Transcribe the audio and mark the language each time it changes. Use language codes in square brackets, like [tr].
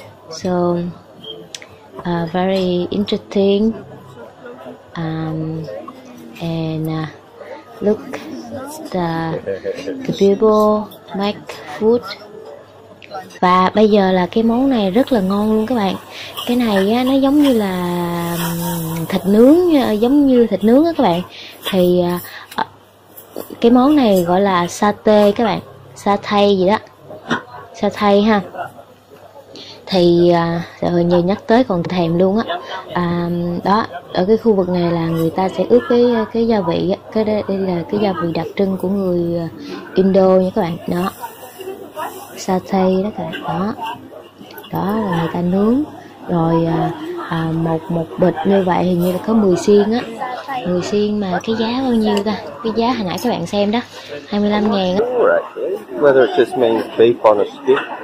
[en] So very interesting, look the people make food. [vi] Và bây giờ là cái món này rất là ngon luôn các bạn. Cái này á, nó giống như là thịt nướng, giống như thịt nướng á các bạn. Thì cái món này gọi là satay các bạn, satay gì đó, satay ha. Thì hồi nhiều nhắc tới còn thèm luôn á. Đó, ở cái khu vực này là người ta sẽ ướp cái gia vị á. Đây là cái gia vị đặc trưng của người Indo nha các bạn. Đó, satay đó các bạn. Đó, đó là người ta nướng. Rồi một bịch như vậy thì như là có 10 xiên á. 10 xiên mà cái giá bao nhiêu ta? Cái giá hồi nãy các bạn xem đó, 25.000 á. [en] Whether it just means beef on a stick